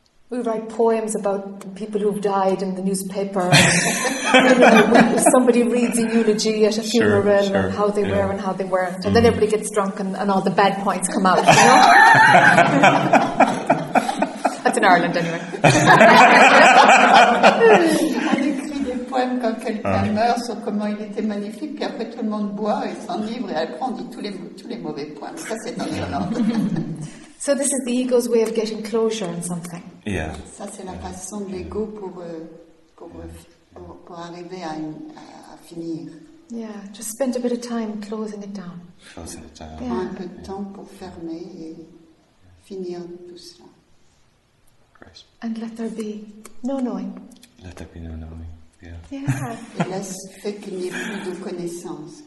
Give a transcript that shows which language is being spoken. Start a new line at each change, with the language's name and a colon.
English: We write poems about people who've died in the newspaper. And somebody reads a eulogy at a funeral and how they were and how they weren't. And then everybody gets drunk and all the bad points come out. You know? That's in Ireland anyway.
French: On écrit des poèmes quand quelqu'un meurt sur comment il était magnifique, puis après tout le monde boit et s'enivre, et après on dit tous les mauvais points. Ça, c'est en Irlande.
English: So this is the ego's way of getting closure on something. Yeah.
French: Ça c'est la façon de l'ego pour arriver à finir.
English: Yeah, just spend a bit of time closing it down. Closing it down. Yeah.
French: Un peu de temps pour fermer et finir tout cela.
English: Great. And let there be no knowing. Let there be no knowing. Yeah. Yeah.
French: Et laisse fait qu'il n'y ait plus de connaissance.